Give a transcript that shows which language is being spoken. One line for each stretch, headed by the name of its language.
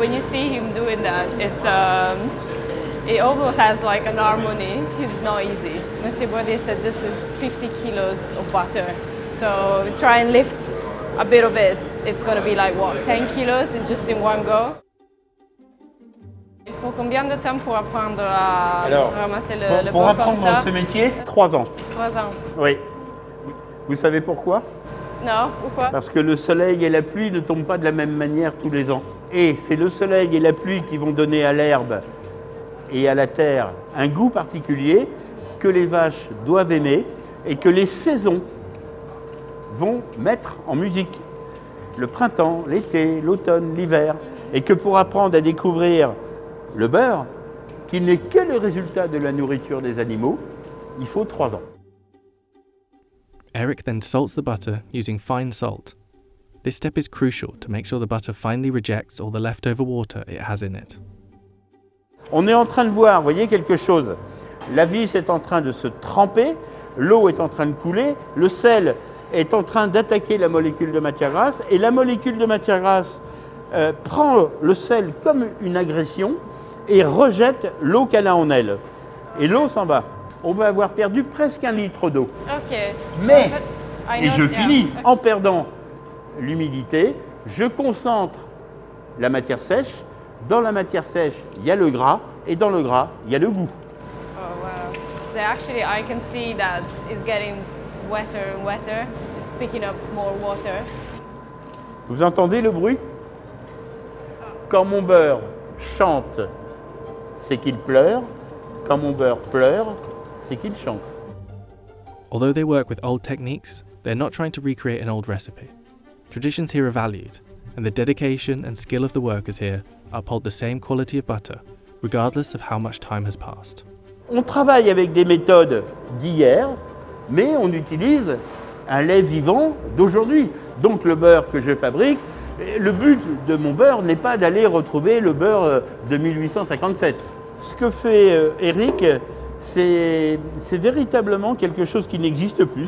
English: When you see him doing that, it's it almost has like an harmony. He's not easy. Monsieur Bourdier said this is 50 kilos of butter. So try and lift a bit of it. It's gonna be like what, 10 kilos in just in one go.
French: Il faut combien de temps pour apprendre à ramasser le bois? Pour apprendre ce métier, 3 ans. 3 ans. Oui. Vous savez pourquoi? Non, pourquoi? Parce que le soleil et la pluie ne tombent pas de la même manière tous les ans. Et c'est le soleil et la pluie qui vont donner à l'herbe et à la terre un goût particulier que les vaches doivent aimer et que les saisons vont mettre en musique. Le printemps, l'été, l'automne, l'hiver. Et que pour apprendre à découvrir le beurre, qui n'est que le résultat de la nourriture des animaux, il faut 3 ans.
English: Eric then salts the butter using fine salt. This step is crucial to make sure the butter finally rejects all the leftover water it has in it.
French: On est en train de voir, vous voyez quelque chose. La vis est en train de se tremper, l'eau est en train de couler, le sel est en train d'attaquer la molécule de matière grasse, et la molécule de matière grasse prend le sel comme une agression et rejette l'eau qu'elle a en elle. Et l'eau s'en va. On va avoir perdu presque un litre d'eau.
English: Okay.
French: Mais, et je finis en perdant l'humidité, je concentre la matière sèche. Dans la matière sèche, il y a le gras, et dans le gras, il y a le goût.
English: Oh wow. So actually, I can see that it's getting wetter and wetter. It's picking up more water.
French: Vous entendez le bruit? Quand mon beurre chante, c'est qu'il pleure. Quand mon beurre pleure, c'est qu'il chante.
English: Although they work with old techniques, they're not trying to recreate an old recipe. Traditions here are valued, and the dedication and skill of the workers here uphold the same quality of butter, regardless of how much time has passed.
French: On travaille avec des méthodes d'hier, mais on utilise un lait vivant d'aujourd'hui. Donc le beurre que je fabrique, le but de mon beurre n'est pas d'aller retrouver le beurre de 1857. Ce que fait Eric, c'est véritablement quelque chose qui n'existe plus.